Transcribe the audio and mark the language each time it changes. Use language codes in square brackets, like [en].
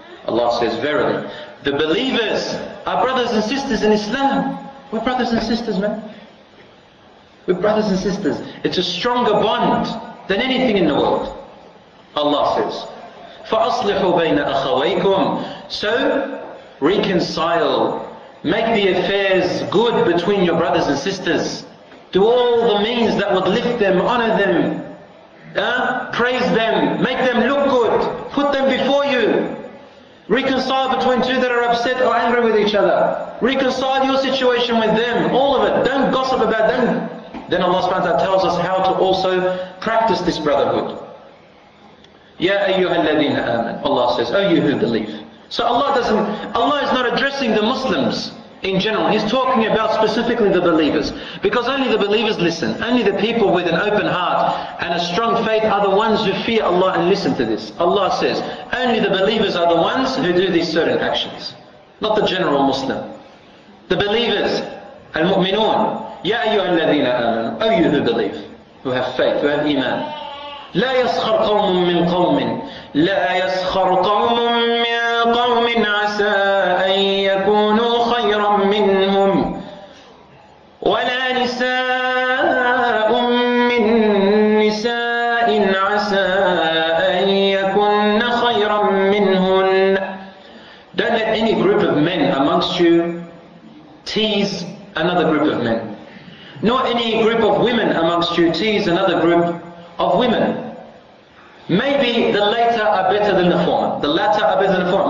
[en] Allah says, verily, the believers are brothers and sisters in Islam. We're brothers and sisters, man. We're brothers and sisters. It's a stronger bond than anything in the world. Allah says, [ar] فَأَصْلِحُوا بَيْنَ أَخَوَيْكُمْ. [en] So, reconcile. Make the affairs good between your brothers and sisters. Do all the means that would lift them, honor them, praise them, make them look good, put them before you. Reconcile between two that are upset or angry with each other. Reconcile your situation with them, all of it. Don't gossip about them. Then Allah subhanahu wa ta'ala tells us how to also practice this brotherhood. [ar] Ya ayyuha alladhina aman, [en] Allah says, oh you who believe. So Allah is not addressing the Muslims in general. He's talking about specifically the believers. Because only the believers listen. Only the people with an open heart and a strong faith are the ones who fear Allah and listen to this. Allah says, only the believers are the ones who do these certain actions. Not the general Muslim. The believers, al-mu'minun, [ar] ya ayyuha alladhina aman, [en] oh you who believe, who have faith, who have iman. [ar] لا يسخر قوم من قوم لا يسخر قوم من قوم عسى أن يكونوا خيرا منهم ولا نساء من نساء عسى أن يكون خيرا منهن. [en] Don't let any group of men amongst you tease another group of men, nor any group of women amongst you tease another group of women. Maybe the later are better than the former. The latter are better than the former.